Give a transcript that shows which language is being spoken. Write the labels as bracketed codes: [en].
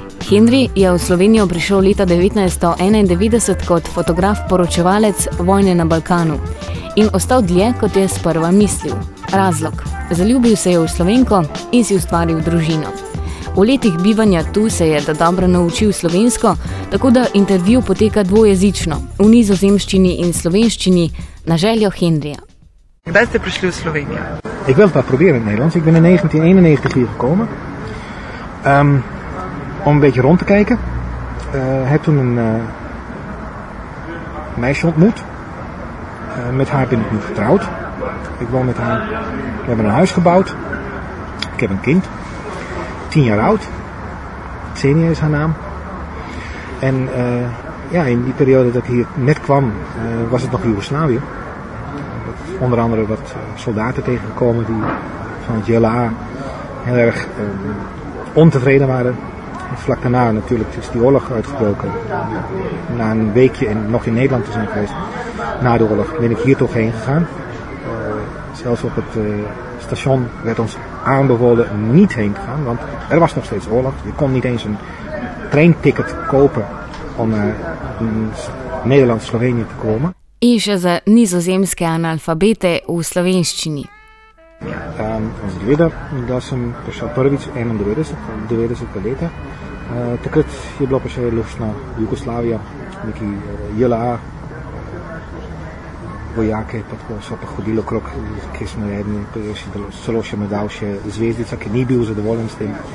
[sl] Henri je v Slovenijo prišel leta 1991 kot fotograf poročevalec vojne na Balkanu in ostal dlje, kot je sprva mislil. Razlog. Zaljubil se je v Slovenko in si ustvaril družino. V letih bivanja tu se je dobro naučil slovensko, tako da intervju poteka dvojezično, v nizozemščini in slovenščini, na željo Henrija. Kdaj ste prišli v Slovenijo? [nl] Ik wil pa proberen in Nederlands. Ik ben in 1991 hier gekomen. Om een beetje rond te kijken. Heb toen een meisje ontmoet. Met haar ben ik nu getrouwd. Ik woon met haar. We hebben een huis gebouwd. Ik heb een kind. 10 jaar oud. Xenia is haar naam. En ja, in die periode dat ik hier net kwam, was het nog Joegoslavië. Onder andere wat soldaten tegengekomen die van het JLA heel erg ontevreden waren. Vlak daarna natuurlijk is die oorlog uitgebroken. Na een weekje nog in Nederland te zijn geweest, na de oorlog, ben ik hier toch heen gegaan. Zelfs op het station werd ons aanbevolen niet heen te gaan, want er was nog steeds oorlog. Je kon niet eens een treinticket kopen om naar Nederland, Slovenië te komen. [sl] In še za nizozemske analfabete v slovenščini. Zgleda, da sem prišel prvič 91. leta. Takrat je bilo pa še lušna Jugoslavija, neki JLA vojake, pa tako so pa hodili okrog, kje smo redni, celo še medal še zvezdica, ki ni bil zadovoljen s tem.